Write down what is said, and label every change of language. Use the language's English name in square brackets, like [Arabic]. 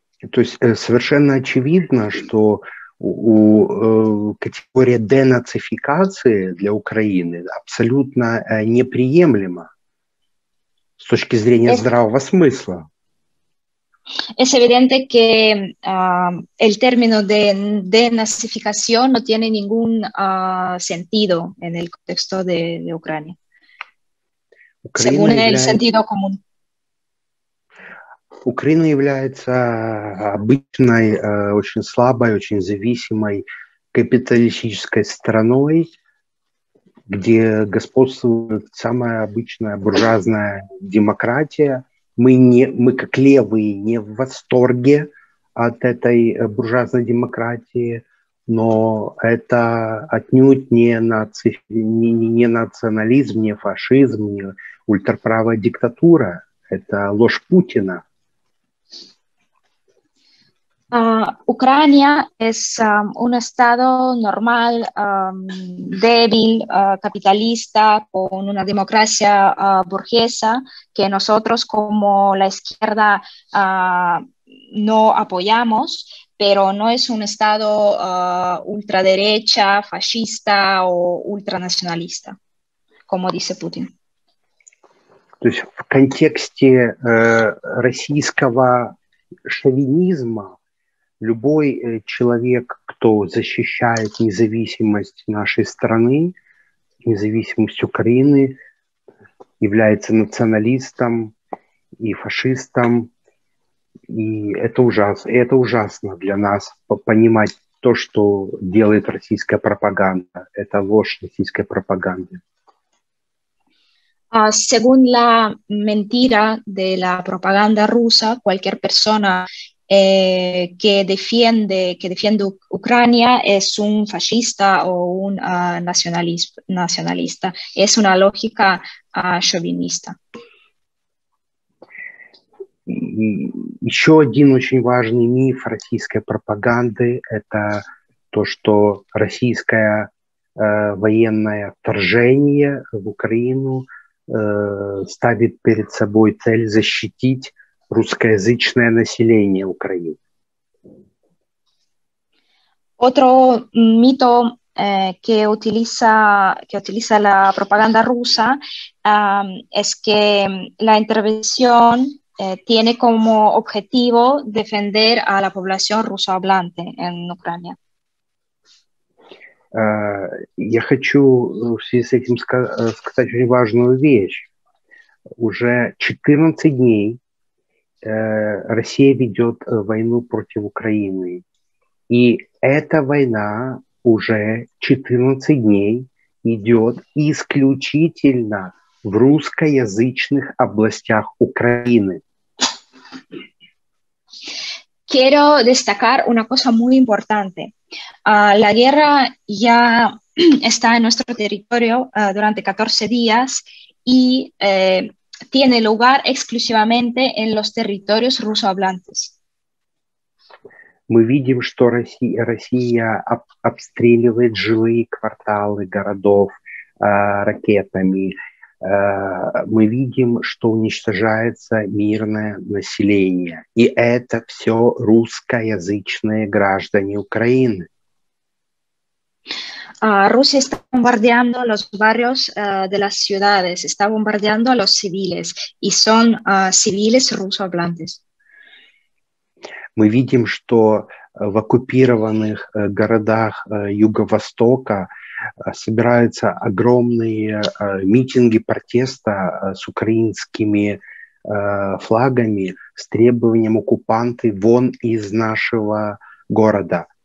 [Russian] То есть совершенно очевидно, что категория денацификации для Украины абсолютно неприемлема с точки зрения здравого смысла. [Spanish] Es evidente que el término de denazificación no tiene ningún sentido en el contexto de Ucrania. Según el sentido común. [Russian] Украина является обычной, очень слабой, очень зависимой капиталистической страной, где господствует самая обычная буржуазная демократия. Мы как левые не в восторге от этой буржуазной демократии, но это отнюдь не национализм, не фашизм, не ультраправая диктатура. Это ложь Путина. [Spanish] Ucrania es un estado normal, débil, capitalista, con una democracia burguesa que nosotros como la izquierda no apoyamos, pero no es un estado ultraderecha, fascista o ultranacionalista, como dice Putin. [Russian] То есть в контексте российского шовинизма любой человек, кто защищает независимость нашей страны, независимость Украины, является националистом и фашистом. И это ужасно для нас понимать то, что делает российская пропаганда. Это ложь российской пропаганды. [Spanish] Según la mentira de la propaganda rusa, cualquier persona que defiende Ucrania es un fascista o un nacionalista. Es una lógica chauvinista. [Russian] Еще один очень важный миф российской пропаганды – это то, что российское военное вторжение в Украину – ставит перед собой цель защитить русскоязычное население Украины. [Spanish] Otro mito que utiliza la propaganda rusa es que la intervención tiene como objetivo defender a la población rusohablante en Ucrania. [Russian] Я хочу в связи с этим сказать очень важную вещь. Уже 14 дней Россия ведет войну против Украины. И эта война уже 14 дней идет исключительно в русскоязычных областях Украины. [Spanish] Quiero destacar una cosa muy importante. La guerra ya está en nuestro territorio durante 14 días y tiene lugar exclusivamente en los territorios rusohablantes. [Russian] Мы видим, что Россия обстреливает жилые кварталы городов ракетами. Мы видим, что уничтожается мирное население. И это все русскоязычные граждане Украины. [Spanish] Rusia está bombardeando los barrios de las ciudades, está bombardeando a los civiles, y son civiles rusohablantes. [Russian] Мы видим, что в оккупированных городах Юго-Востока собираются огромные митинги протеста с украинскими флагами с требованием оккупанты вон из нашего города.